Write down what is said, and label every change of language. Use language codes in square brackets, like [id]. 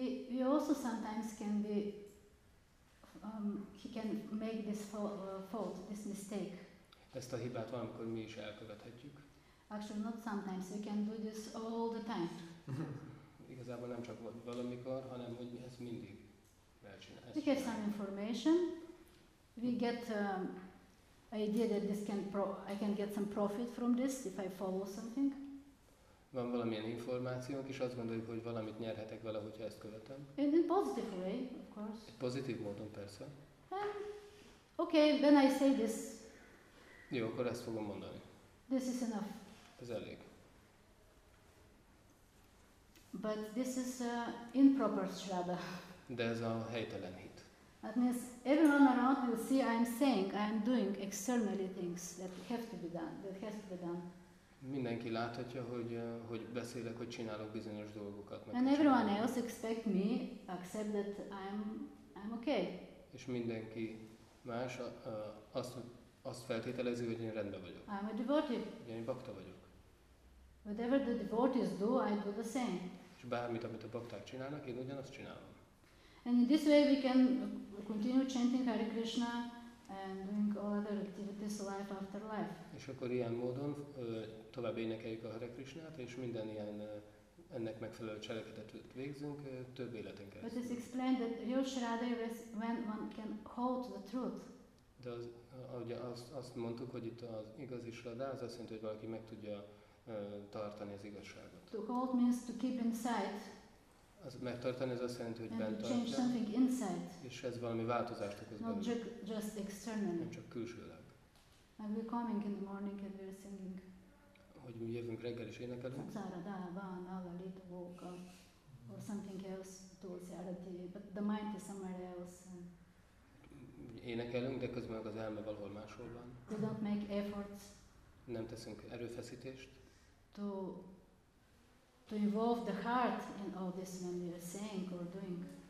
[en] We also sometimes can be he can make this fault, this mistake. [hu] Ezt a hibát valamikor mi is elkövethetjük. [en] Actually, not sometimes. We can do this all the time. [hu] Igazából nem csak valamikor, hanem hogy mi ezt mindig elcsinálunk. [en] We get some information. We get idea that this can I can get some profit from this if I follow something. [hu] Van valamilyen információnk, és azt gondoljuk, hogy valamit nyerhetek vele, hogyha ezt követem. [en] In positive way, of course. [hu] Egy pozitív módon, persze. [en] Okay, when I say this. [hu] Jó, akkor ezt fogom mondani. [en] This is enough. [hu] Ez elég. [en] But this is improper shraddha. [hu] De ez a helytelen hit. [en] That means everyone around will see I'm saying, I'm doing externally things that have to be done, that has to be done. [hu] Mindenki láthatja, hogy beszélek, hogy csinálok bizonyos dolgokat. [en] And everyone else expect me accept that I'm okay. [hu] És mindenki más azt feltételezi, hogy én rendben vagyok. [en] I'm a devotee. [hu] Én bakta vagyok. [en] Whatever the devotees do, I do the same. [hu] És bármit, amit a bakták csinálnak, én ugyanazt csinálom. [en] And in this way we can continue chanting Hare Krishna and doing all other activities life after life. [hu] És akkor ilyen módon tovább énekeljük a Hare Krishnát, és minden ilyen ennek megfelelő cselekedetet végzünk több életen keresztül. [en] But it's explained that real shraddha is when one can hold the truth. [hu] De azt mondtuk, hogy itt az igazi shraddha, az azt jelenti, hogy valaki meg tudja tartani az igazságot. [en] To hold means to keep inside. [hu] Az megtartani, ez azt jelenti, hogy bent tartja, és ez valami változást okoz benne. [en] Just externally. [hu] Nem csak külsőleg. [en] And we're coming in the morning and we're singing. [hu] Hogy mi jövünk reggel is énekelünk. [en] Zara, da, van, ala, little vocal, or something else to sincerity, but the mind is somewhere else. [hu] Énekelünk, de közben az elme valahol máshol van. [en] We don't make efforts. [hu] Nem teszünk erőfeszítést. [en] To involve the heart in all this when we are saying or doing.